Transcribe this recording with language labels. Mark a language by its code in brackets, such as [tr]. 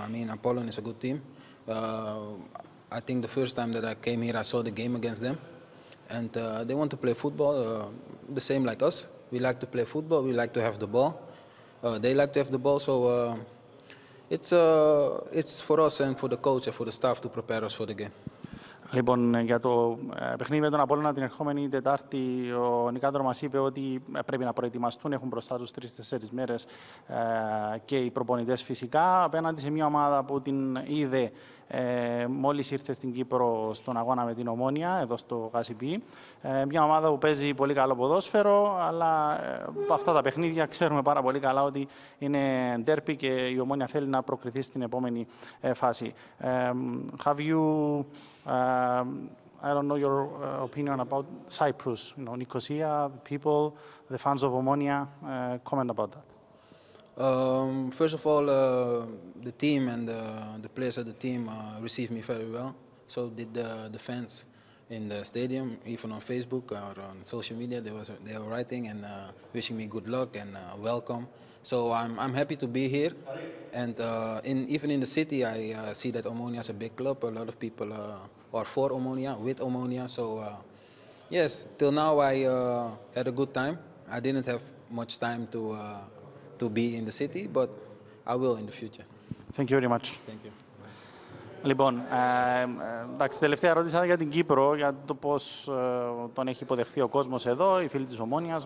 [en] I mean, Apollon is a good team. I think the first time that I came here, I saw the game against them. And they want to play football, the same like us. We like to play football, we like to have the ball. They like to have the ball, so it's for us and for the coach and for the staff to prepare us for the game. [el] Λοιπόν, για το παιχνίδι με τον Απόλλωνα την ερχόμενη Τετάρτη, ο Νικάντρο μας είπε ότι πρέπει να προετοιμαστούν. Έχουν μπροστά τους 3-4 μέρες και οι προπονητές φυσικά. Απέναντι σε μια ομάδα που την είδε μόλις ήρθε στην Κύπρο στον αγώνα με την Ομόνια, εδώ στο Γασιπί. Μια ομάδα που παίζει πολύ καλό ποδόσφαιρο, αλλά αυτά τα παιχνίδια ξέρουμε πάρα πολύ καλά ότι είναι ντέρπι και η Ομόνια θέλει να προκριθεί στην επόμενη φάση. [en] I don't know your opinion about Cyprus, Nicosia, the people, the fans of Omonia. Comment about that. First of all, the team and the players of the team received me very well. So did the fans in the stadium, even on Facebook or on social media. They were writing and wishing me good luck and welcome. So I'm happy to be here. And even in the city, I see that Omonia is a big club. A lot of people are for Omonia, with Omonia. So yes, till now I had a good time. I didn't have much time to be in the city, but I will in the future. Thank you very much. Thank you. [el] Λοιπόν, εντάξει, τελευταία ερώτηση για την Κύπρο, για το πώς τον έχει υποδεχθεί ο κόσμος εδώ, οι φίλοι της Ομόνιας.